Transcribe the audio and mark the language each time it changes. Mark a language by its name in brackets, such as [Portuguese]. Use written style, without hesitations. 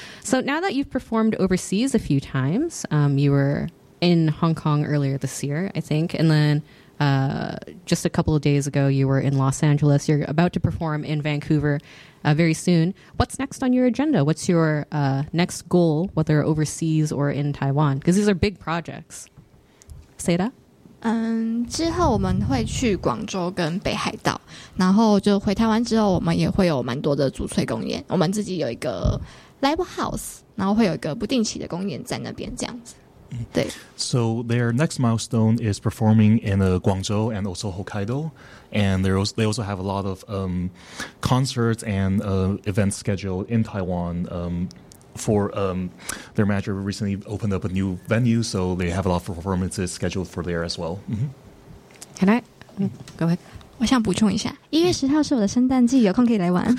[English] So now that you've performed overseas a few times, you were in Hong Kong earlier this year, I think, and then just a couple of days ago, you were in Los Angeles. You're about to perform in Vancouver very soon. What's next on your agenda? What's your next goal, whether overseas or in Taiwan? Because these are big projects. Say that. [Chinese] 之后我们会去广州跟北海道, 然后就回台湾之后, 我们也会有蛮多的主催公演, 我们自己有一个 live house, 然后会有一个不定期的公演在那边, 这样子。 [English] So their next milestone is performing in Guangzhou and also Hokkaido. And they also have a lot of concerts and events scheduled in Taiwan for their manager recently opened up a new venue. So they have a lot of performances scheduled for there as well. Mm-hmm. Can I? Go ahead. [Chinese] 我想补充一下 1月10号是我的圣诞季 有空可以来玩